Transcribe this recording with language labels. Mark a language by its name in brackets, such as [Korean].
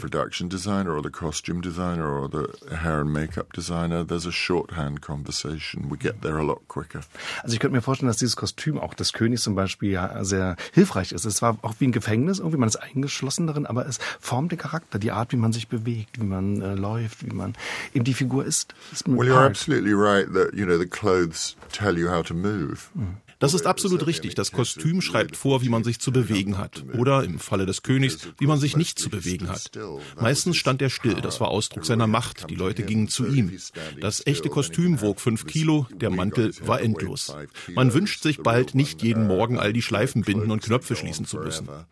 [German] Also ich könnte mir vorstellen, dass dieses Kostüm auch des Königs zum Beispiel ja sehr hilfreich ist. Es war auch wie ein Gefängnis, irgendwie man ist eingeschlossen darin, aber es formt den Charakter, die Art, wie man sich bewegt, wie man läuft, wie man eben die Figur ist. [English] Well, you're absolutely right that you know the clothes tell you how to move. [German] Das ist absolut richtig. Das Kostüm schreibt vor, wie man sich zu bewegen hat. Oder im Falle des Königs, wie man sich nicht zu bewegen hat. Meistens stand er still. Das war Ausdruck seiner Macht. Die Leute gingen zu ihm. Das echte Kostüm wog 5 Kilo. Der Mantel war endlos. Man wünscht sich bald, nicht jeden Morgen all die Schleifen binden und Knöpfe schließen zu müssen.